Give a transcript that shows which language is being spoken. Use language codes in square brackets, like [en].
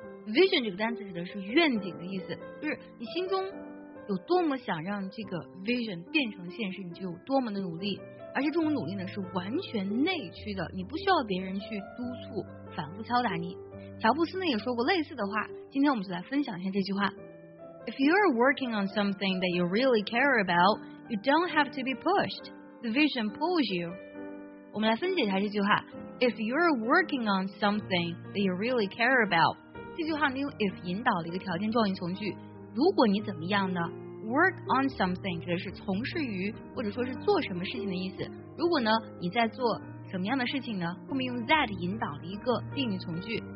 [zh] vision 这个单词指的是愿景的意思，就是你心中有多么想让这个 vision 变成现实，你就有多么的努力。而且这种努力呢是完全内驱的，你不需要别人去督促反复敲打你。乔布斯呢也说过类似的话，今天我们就来分享一下这句话。 [en] If you are working on something that you really care about, you don't have to be pushed. The vision pulls you. [zh] 我们来分解一下这句话。 [en] If you are working on something that you really care about, [zh] 这句话呢用 if 引导的一个条件状语从句。如果你怎么样呢， [en] work on something [zh] 指的是从事于或者说是做什么事情的意思。如果呢你在做什么样的事情呢，后面用 that 引导的一个定语从句。